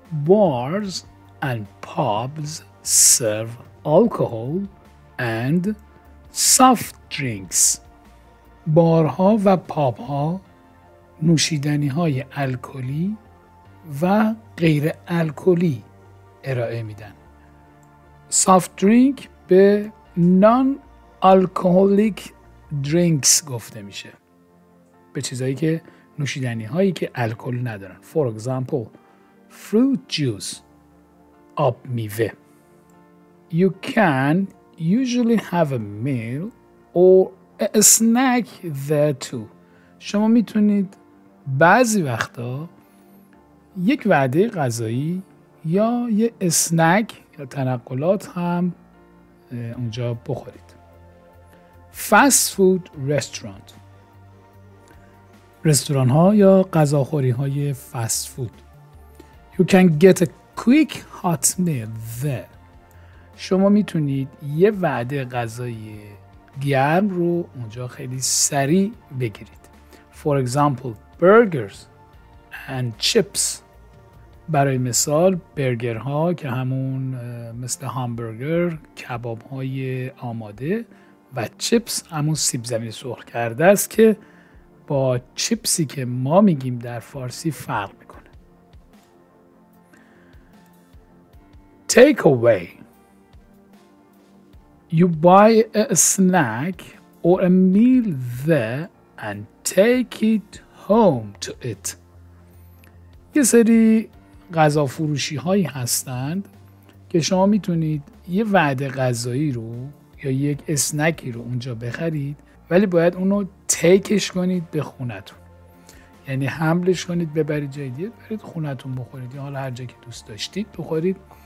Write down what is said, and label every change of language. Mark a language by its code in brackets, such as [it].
[en] Bars and pubs serve alcohol and soft drinks. [fa] بارها و پابها نوشیدنی های الکلی و غیر الکلی ارائه میدن. Soft drink به [en] non-alcoholic drinks [fa] گفته میشه، به چیزایی که نوشیدنی هایی که الکل ندارن. [en] For example, fruit juice، [fa] آب میوه. [en] You can usually have a meal or a snack there too. [fa] شما میتونید بعضی وقتا یک وعده غذایی یا یه اسنک یا تنقلات هم اونجا بخورید. [en] Fast food restaurant، [fa] رستوران ها یا غذاخوری های فست فود. [en] You can get a quick hot meal there. [fa] شما میتونید یه وعده غذایی گرم رو اونجا خیلی سریع بگیرید. [en] For example, burgers and chips. [fa] برای مثال برگرها که همون مثل هامبرگر کباب های آماده و چیپس همون سیب زمینی سرخ کرده است که با چیپسی که ما میگیم در فارسی فرق میکنه. [en] Take away. You buy a snack or a meal there and take it home to eat. [fa] یه سری غذا فروشی هایی هستند که شما میتونید یه وعده غذایی رو یا یک اسنکی رو اونجا بخرید، ولی باید اونو تیکش کنید به خونتون، یعنی حملش کنید ببرید جای دیگه، برید خونتون بخورید، یا حالا هر جا که دوست داشتید بخورید.